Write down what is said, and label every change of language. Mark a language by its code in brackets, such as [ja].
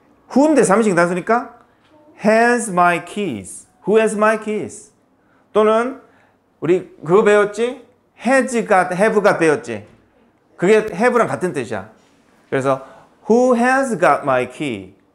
[en] Who인데 [ko] 3인칭 단수니까 [en] has my keys. Who has my keys? [ko] 또는 우리 그거 배웠지? Has가 have가 배웠지. 그게 have랑 같은 뜻이야. [en] 그래서 who has got my key?